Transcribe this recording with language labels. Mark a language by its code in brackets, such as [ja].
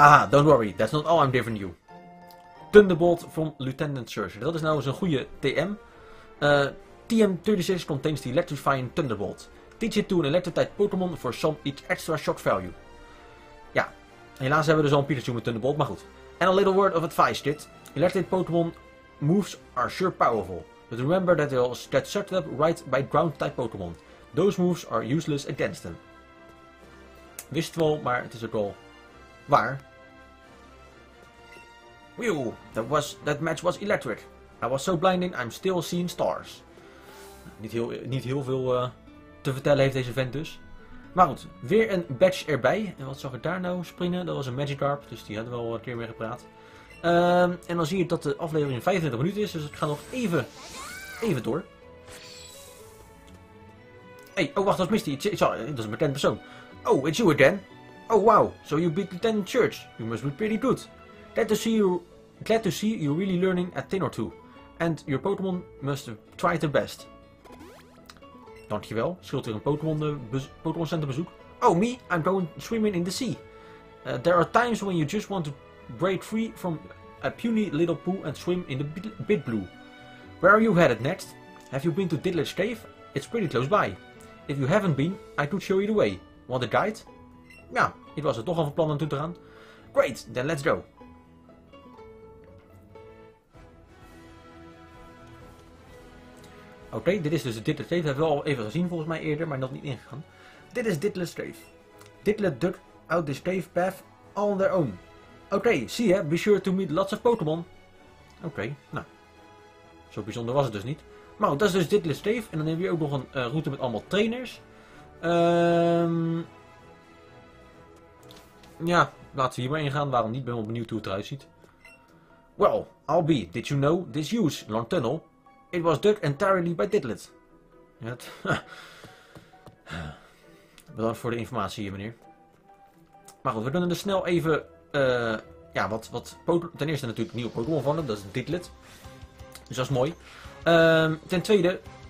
[en] Don't worry. That's not all I'm giving you. Thunderbolt from Lieutenant Surge. [nl] Dat is nou eens een goede TM. TM36 contains the electrifying Thunderbolt. [en] Teach it to an electric-type Pokémon for some each extra shock value. [nl] Ja, helaas hebben we dus al een Pikachu met Thunderbolt, maar goed. [en] And a little word of advice, kid. Electric Pokémon moves are sure powerful. But remember that they'll get sucked up right by ground-type Pokémon. Those moves are useless against them. [nl] Wist het wel, maar het is ook wel waar. [en] Wew, that match was electric. I was so blinding, I'm still seeing stars. [nl] Niet heel veel te vertellen heeft deze vent dus. Maar goed, weer een badge erbij. En wat zag ik daar nou springen? Dat was een Magikarp, dus die hadden we al een keer mee gepraat. En dan zie je dat de aflevering 25 minuten is, dus ik ga nog even door. Hey, oh wacht, dat is Misty. Sorry, dat is een bekende persoon. [en] Oh, it's you again. Oh wow, so you beat Lieutenant Church. You must be pretty good. Glad to see you really learning a thing or two. And your Pokémon must try their best. [nl] Dankjewel. Schilt weer een Pokémon Center bezoek. [en] Oh me, I'm going swimming in the sea. There are times when you just want to break free from a puny little pool and swim in the big blue. Where are you headed next? Have you been to Diddler's Cave? It's pretty close by. If you haven't been, I could show you the way. Want a guide? [nl] Ja, ik was er toch al van plan om toe te gaan. [en] Great, then let's go. [nl] Oké, dit is dus de Diddler's Cave. Dat hebben we al even gezien volgens mij eerder, maar nog niet ingegaan. Dit is Diddler's Cave. [en] Diddler dug out this cave path all on their own. Oké, see ya. Be sure to meet lots of Pokémon. Oké, nou. [nl] Zo bijzonder was het dus niet. Maar goed, dat is dus Diddler's Cave. En dan hebben we ook nog een route met allemaal trainers. Laten we hier maar ingaan. Waarom niet? Ben wel benieuwd hoe het eruit ziet. Well, [en] Albie, did you know this huge long tunnel? It was dug entirely by Diddlet. [nl] Bedankt voor de informatie hier, meneer. Maar goed, we kunnen er snel even... ten eerste natuurlijk nieuwe Pokémon vangen, dat is Diddlet. Dus dat is mooi. Ten tweede...